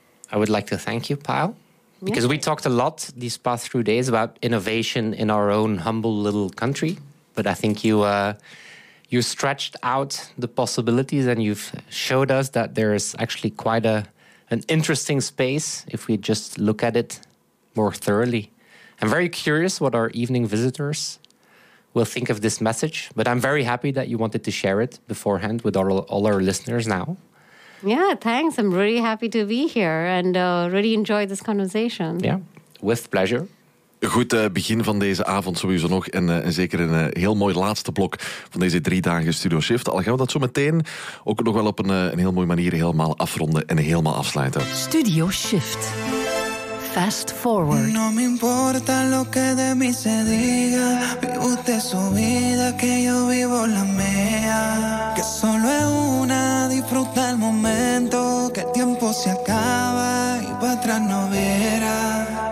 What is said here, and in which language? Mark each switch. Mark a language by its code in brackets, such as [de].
[en] I would like to thank you, Payal, because we talked a lot these past few days about innovation in our own humble little country, but I think you stretched out the possibilities and you've showed us that there's actually quite an interesting space if we just look at it more thoroughly. I'm very curious what our evening visitors will think of this message, but I'm very happy that you wanted to share it beforehand with all our listeners now. Yeah, thanks. I'm really happy to be here and really enjoyed this conversation. Yeah, with pleasure. [nl] Goed begin van deze avond sowieso nog. En zeker een heel mooi laatste blok van deze 3 dagen Studio Shift. Al gaan we dat zo meteen ook nog wel op een heel mooie manier helemaal afronden en helemaal afsluiten. [en] Studio Shift. Fast forward. [es] No me importa lo que de mí se diga. Vive usted su vida, que yo vivo la mía. Que solo es una, disfruta el momento. Que el tiempo se acaba y pa' atrás no verá.